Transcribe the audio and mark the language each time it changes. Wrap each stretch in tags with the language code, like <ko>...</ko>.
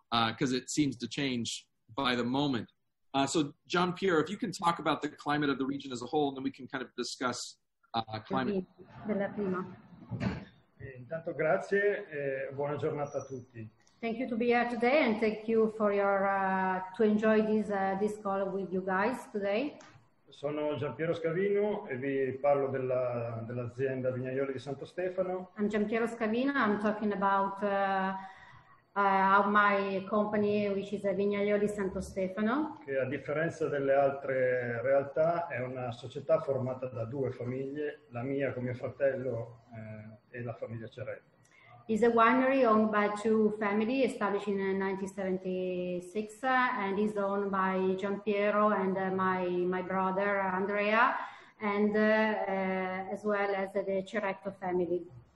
<en>Because it seems to change by the moment. So Jean-Pierre, if you can talk about the climate of the region as a whole, and then we can kind of discuss climate.</en> <it>Della prima. Intanto grazie, buona giornata a tutti.</it> <en>Thank you to be here today, and thank you for your to enjoy this this call with you guys today.</en> <it>Sono Giampiero Scavino e vi parlo dell'azienda Vignaioli di Santo Stefano.</it> <en>I'm Giampiero Scavino. I'm talking about how my company, which is Vignaioli Santo Stefano.</en> <it>Che a differenza delle altre realtà è una società formata da due famiglie, la mia con mio fratello e la famiglia Ceretto.</it> <en>Is a winery owned by two families, established in 1976, and is owned by Giampiero and my brother Andrea, and as well as the Ceretto family.</en>